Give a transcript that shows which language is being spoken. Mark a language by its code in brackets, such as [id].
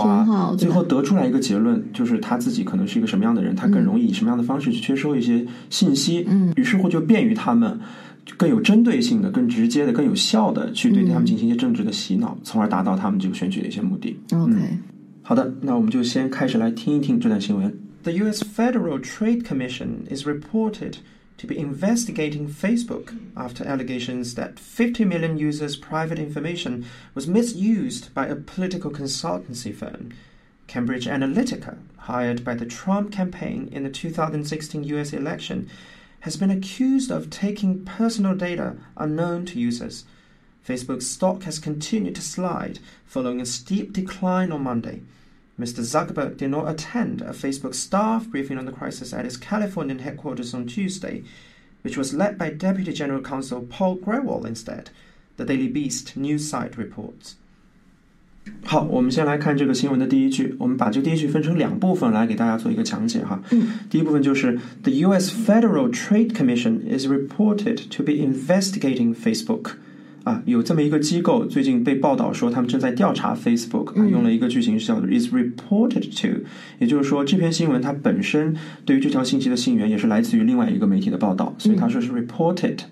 [zh] 啊，最后得出来一个结论，就是他自己可能是一个什么样的人，他更容易以什么样的方式去接收一些信息，于是乎就便于他们更有针对性的、更直接的、更有效的去对他们进行一些政治的洗脑，从而达到他们这个选举的一些目的。好的，那我们就先开始来听一听这段新闻。 [en] The U.S. Federal Trade Commission is reported to be investigating Facebook after allegations that 50 million users' private information was misused by a political consultancy firm, Cambridge Analytica, hired by the Trump campaign in the 2016 U.S. election. Has been accused of taking personal data unknown to users. Facebook's stock has continued to slide following a steep decline on Monday. Mr. Zuckerberg did not attend a Facebook staff briefing on the crisis at his Californian headquarters on Tuesday, which was led by Deputy General Counsel Paul Grewal instead, the Daily Beast news site reports. [zh] 好，我们先来看这个新闻的第一句，我们把这个第一句分成两部分来给大家做一个讲解哈。第一部分就是 [en] The US Federal Trade Commission is reported to be investigating Facebook [zh] 有这么一个机构最近被报道说他们正在调查 Facebook 用了一个句型叫做 is reported to， 也就是说这篇新闻它本身对于这条信息的信源也是来自于另外一个媒体的报道，所以它说是 reported。